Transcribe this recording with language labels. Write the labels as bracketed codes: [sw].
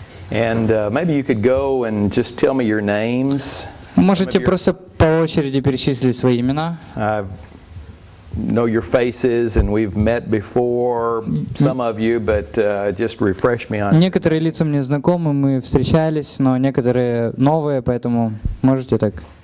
[en] And maybe you could go and just tell me your names. [ru] Можете просто по очереди перечислить свои имена? [en] Know your faces, and we've met before, some of you, but just refresh me on. [ru] Некоторые лица мне знакомы, мы встречались, но некоторые новые, поэтому можете так.